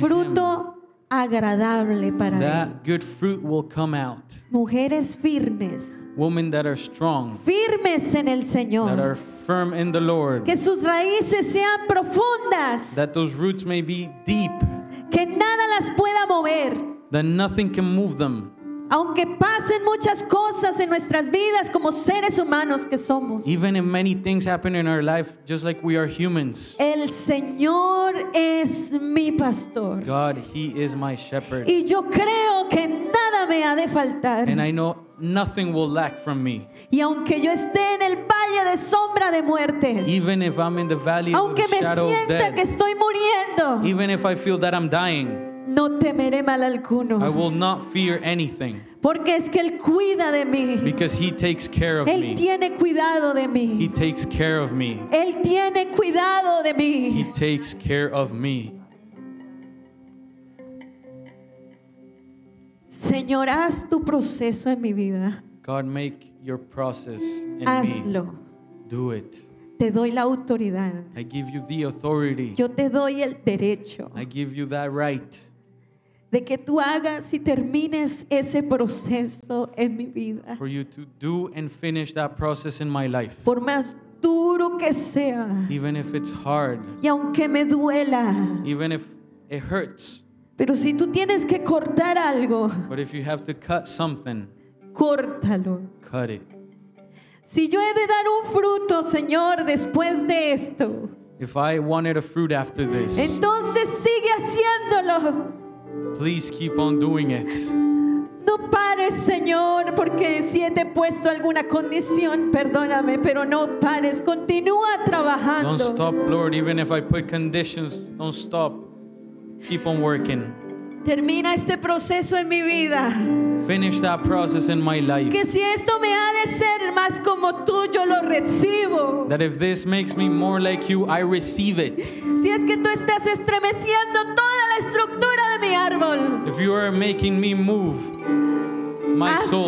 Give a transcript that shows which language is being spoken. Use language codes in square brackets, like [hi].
[es] Saldrá ese fruto agradable para [en] that [es] Él. [en] That good fruit will come out. [es] Mujeres firmes. [en] Women that are strong. [es] Firmes en el Señor. [en] That are firm in the Lord. [es] Que sus raíces sean profundas. [en] That those roots may be deep. [es] Que nada las pueda mover. [en] That nothing can move them. [es] Aunque pasen muchas cosas en nuestras vidas como seres humanos que somos. [en] Even if many things happen in our life, just like we are humans. [es] El Señor es mi pastor. [en] God, He is my shepherd. [es] Y yo creo que nada me ha de faltar. [en] And I know nothing will lack from me. [es] Y aunque yo esté en el valle de sombra de muerte. [en] Even if I'm in the valley [es] aunque [en] of the shadow [es] me sienta [en] of death, [es] que estoy muriendo. [en] Even if I feel that I'm dying. [es] No temeré mal alguno. [en] I will not fear anything. [es] Porque es que Él cuida de mí. [en] Because He takes care of [es] Él [en] me. [es] Él tiene cuidado de mí. [en] He takes care of me. [es] Él tiene cuidado de mí. [en] He takes care of me. [es] Señor, haz tu proceso en mi vida. [en] God, make your process in [es] Hazlo. [en] Me. Do it. [es] Te doy la autoridad. [en] I give you the authority. [es] Yo te doy el derecho. [en] I give you that right. [es] De que tú hagas y termines ese proceso en mi vida. [en] For you to do and finish that process in my life. [es] Por más duro que sea. [en] Even if it's hard. [es] Y aunque me duela. [en] Even if it hurts. [es] Pero si tú tienes que cortar algo, [en] but if you have to cut something, [es] córtalo. [en] Cut it. [es] Si yo he de dar un fruto, Señor, después de esto, [en] if I wanted a fruit after this, [es] entonces sigue haciéndolo. [en] Please keep on doing it. [es] No pares, Señor, porque si he te puesto alguna condición, perdóname, pero no pares, continúa trabajando. [en] Don't stop, Lord, even if I put conditions, don't stop. Keep on working. [es] Termina este proceso en mi vida. [en] Finish that process in my life. [es] Que si esto me ha de ser más como tú, yo lo recibo. [en] That if this makes me more like you, I receive it. [es] Si es que tú estás estremeciendo toda la estructura de mi árbol. [en] If you are making me move my soul.